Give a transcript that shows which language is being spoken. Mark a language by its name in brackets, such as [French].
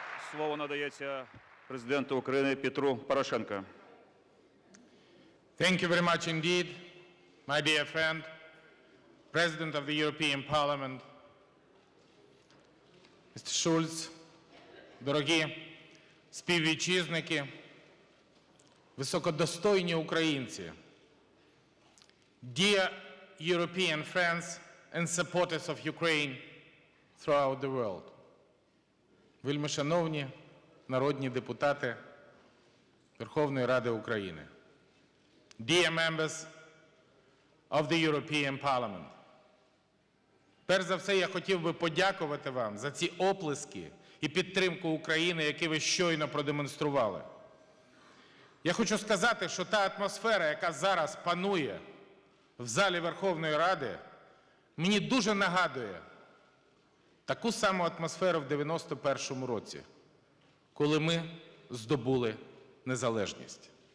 [Ukrainian] Слово надається президенту України Петру Порошенко. [English] Thank you very much indeed. My dear friend, President of the European Parliament, Mr. Schulz, [Ukrainian] дорогі співвітчизники, високодостойні українці, [English] dear European friends and supporters of Ukraine throughout the world, [Ukrainian] вельмишановні народні депутати Верховної Ради України, [English] dear members of the European Parliament. [Ukrainian] Перш за все, я хотів би подякувати вам за ці оплески і підтримку України, які ви щойно продемонстрували. Я хочу сказати, що та атмосфера, яка зараз панує в залі Верховної Ради, мені дуже нагадує таку саму атмосферу в 91-му році, коли ми здобули незалежність.